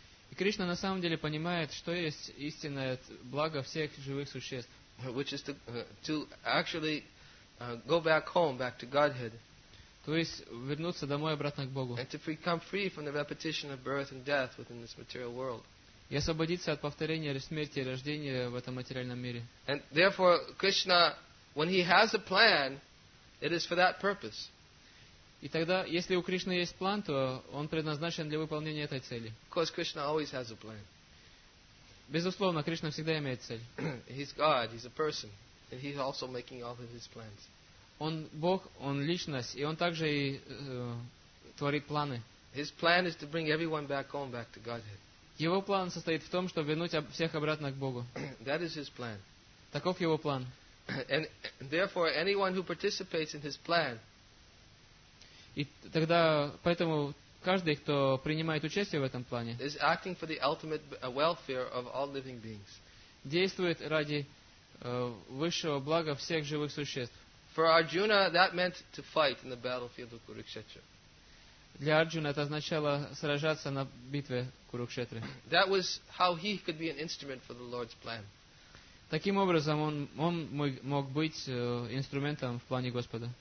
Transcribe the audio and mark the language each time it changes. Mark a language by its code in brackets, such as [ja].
[ru] И Кришна на самом деле понимает, что есть истинное благо всех живых существ. [en] Which is to actually go back home, back to Godhead. [ru] То есть вернуться домой обратно к Богу. [en] And to become free from the repetition of birth and death within this material world. [ru] И освободиться от повторения смерти и рождения в этом материальном мире. [en] And therefore, Krishna, when he has a plan, it is for that purpose. [ru] И тогда, если у Кришны есть план, то он предназначен для выполнения этой цели. [en] Of course, Krishna always has a plan. [ru] Безусловно, Кришна всегда имеет цель. [en] He's God, he's a person, and he's also making all of his plans. [ru] Он Бог, он личность, и он также и творит планы. [en] His plan is to bring everyone back home, back to Godhead. [ru] Его план состоит в том, чтобы вернуть всех обратно к Богу. [en] That is his plan. [ru] Таков его план. [en] And therefore, anyone who participates in his plan. [ru] И тогда поэтому каждый, кто принимает участие в этом плане, [en] is acting for the ultimate welfare of all living beings. [ru] Действует ради высшего блага всех живых существ. [en] For Arjuna, that meant to fight in the battlefield of Kurukshetra. [ru] Для Арджуны это означало сражаться на битве Курукшетры. [en] That was how he could be an instrument for the Lord's plan. [ru] Таким образом, он мог быть инструментом в плане Господа.